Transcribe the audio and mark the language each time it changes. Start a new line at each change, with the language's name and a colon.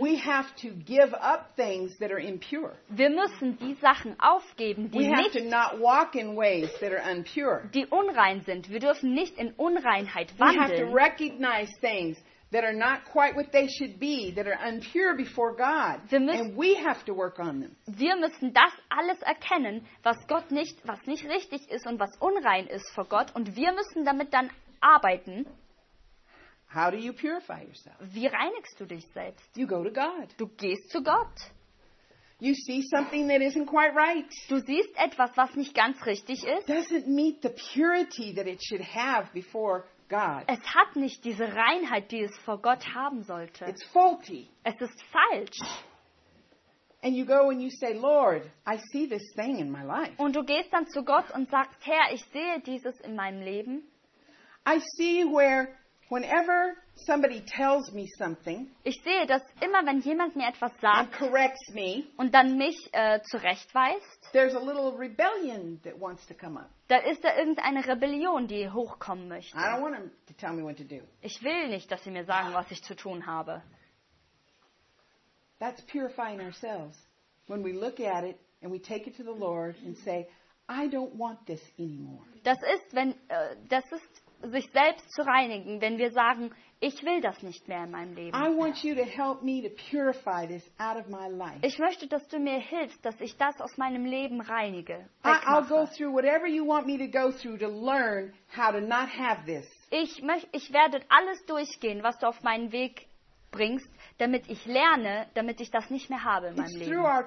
English: We have to give up things that are impure.
German: Wir müssen die Sachen aufgeben, die
English: we
German: nicht
English: have to not walk in ways that are unpure.
German: Die unrein sind. Wir dürfen nicht in Unreinheit wandeln.
English: We have to recognize things that are not quite what they should be, that are unpure before God. And we have to work on them.
German: Wir müssen das alles erkennen, was Gott nicht, was nicht richtig ist und was unrein ist vor Gott. Und wir müssen damit dann arbeiten.
English: How do you purify yourself?
German: Wie reinigst du dich selbst?
English: You go to God.
German: Du gehst zu Gott.
English: You see something that isn't quite right.
German: Du siehst etwas, was nicht ganz richtig ist.
English: Doesn't meet the purity that it should have before God.
German: Es hat nicht diese Reinheit, die es vor Gott haben sollte.
English: It's faulty.
German: Es ist falsch.
English: And you go and you say, Lord, I see this thing in my life.
German: Und du gehst dann zu Gott und sagst, Herr, ich sehe dieses in meinem Leben.
English: I see where whenever somebody tells me something,
German: ich sehe, dass immer wenn jemand mir etwas sagt
English: and corrects me,
German: und dann mich zurechtweist,
English: there's a little rebellion that wants to come up.
German: Da ist da irgendeine Rebellion, die hochkommen möchte.
English: I don't want them to tell me what to do.
German: Ich will nicht, dass sie mir sagen, was ich zu tun habe.
English: That's purifying ourselves when we look at it and we take it to the Lord and say, I don't want this anymore.
German: Das ist sich selbst zu reinigen, wenn wir sagen, ich will das nicht mehr in meinem Leben.
English: I want you to help me to purify this out of my life.
German: Ich möchte, dass du mir hilfst, dass ich das aus meinem Leben reinige.
English: I'll go through whatever you want me to go through to learn how to not have this.
German: Ich werde alles durchgehen, was du auf meinen Weg bringst, damit ich lerne, damit ich das nicht mehr habe in meinem Leben.